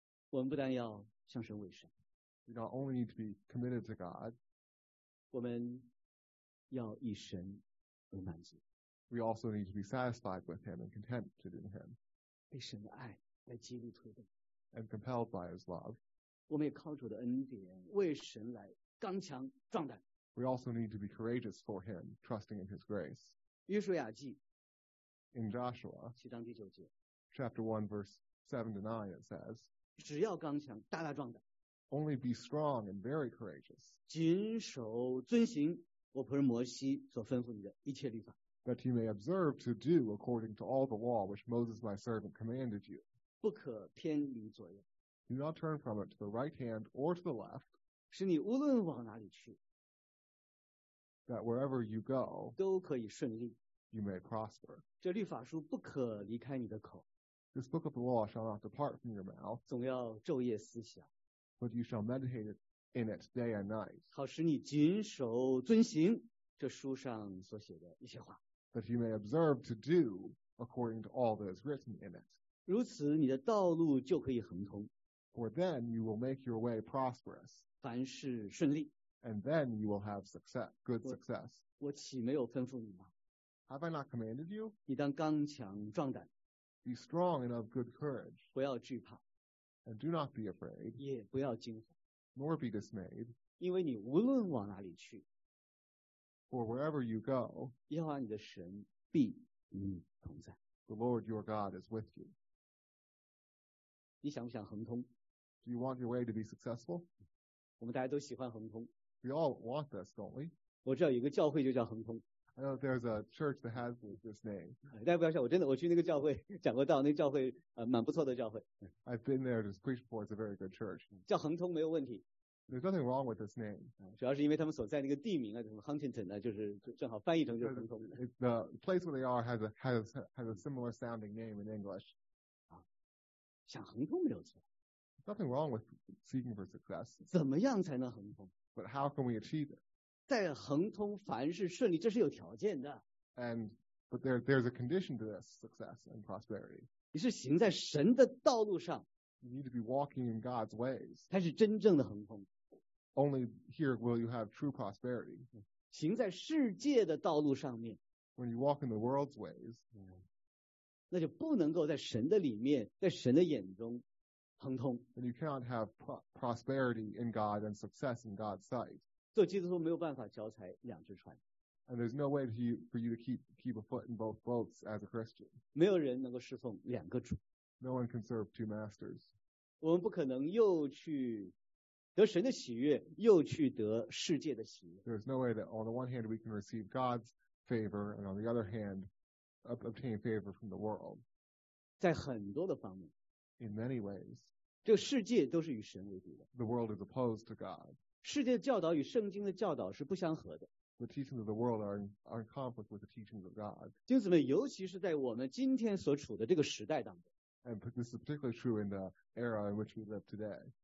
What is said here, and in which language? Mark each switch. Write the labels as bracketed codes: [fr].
[zh] 我们不但要向神委身, [en] we not only need to be committed to God, [zh] 我们要以神为满足, [en] we also need to be satisfied with him and content in him, [zh] 被神的爱来激励推动, [en] and compelled by his love. [zh] 我们也靠主的恩典, 为神来刚强壮胆, [en] we also need to be courageous for him, trusting in his grace. [zh] 约书亚记, [en] in Joshua, [zh] 7章第9节, [en] chapter 1, verse 7 to 9, it says, [zh] 只要刚强, 大大壮胆, [en] only be strong and very courageous, [zh] 谨守遵行我仆人摩西所吩咐你的一切律法, [en] that you may observe to do according to all the law which Moses my servant commanded you. [zh] 不可偏离左右. [en] Do not turn from it to the right hand or to the left. [zh] 使你无论往哪里去, [en] that wherever you go, [zh] 都可以顺利. [en] You may prosper. [zh] 这律法书不可离开你的口. [en] This book of the law shall not depart from your mouth, [zh] 总要昼夜思想. [en] But you shall meditate in it day and night. [zh] 好使你谨守遵行.这书上所写的一些话, [en] that you may observe to do according to all that is written in it. [zh] 如此你的道路就可以亨通, [en] for then you will make your way prosperous. [zh] 凡事顺利, [en] and then you will have success, good success. [zh] 我岂没有吩咐你吗? [en] Have I not commanded you? [zh] 你当刚强壮胆, [en] be strong and of good courage. [zh] 不要惧怕, [en] and do not be afraid. [zh] 也不要惊慌, [en] nor be dismayed. [zh] 因为你无论往哪里去, [en] for wherever you go, [zh] 耶和华你的神必与你同在, [en] the Lord your God is with you. [zh] 你想不想亨通? [en] Do you want your way to be successful? [zh] 我们大家都喜欢亨通, [en] we all want this, don't we? [zh] 我知道有一个教会就叫亨通, [en] I know there's a church that has this name. [zh] 大家不要笑, 我真的, 我去那个教会讲过道, 那个教会, 蛮不错的教会, [en] I've been there to preach before, it's a very good church. [zh] 叫亨通没有问题, [en] there's nothing wrong with this name. [zh] 主要是因为他们所在那个地名啊, 什么 Huntington 啊, 就是正好翻译成就是亨通。 [en] The place where they are has a similar sounding name in English. [zh] 想亨通没有错。 [en] There's nothing wrong with seeking for success. [zh] 怎么样才能亨通? [en] But how can we achieve it? [zh] 在亨通凡事顺利, 这是有条件的。 [en] And but there's a condition to this success and prosperity. [zh] 你是行在神的道路上。 [en] You need to be walking in God's ways. [zh] 才是真正的亨通。 [en] Only here will you have true prosperity. [zh] 行在世界的道路上面, [en] when you walk in the world's ways, [zh] 那就不能够在神的里面, 在神的眼中, [en] then you cannot have prosperity in God and success in God's sight. [zh] 做基督徒没有办法脚踩两只船, [en] and there's no way for you to keep a foot in both boats as a Christian. [zh] 没有人能够侍奉两个主, [en] no one can serve two masters. [zh] 我们不可能又去 得神的喜悦, [en] there's no way that on the one hand we can receive God's favor and on the other hand obtain favor from the world. [zh] 在很多的方面, [en] in many ways, [zh] 这个世界都是与神为敌的, [en] the world is opposed to God. [zh] 世界的教导与圣经的教导是不相合的, [en] the teachings of the world are in conflict with the teachings of God. [zh] 弟兄姊妹,尤其是在我们今天所处的这个时代当中, [en] and this is particularly true in the era in which we live today.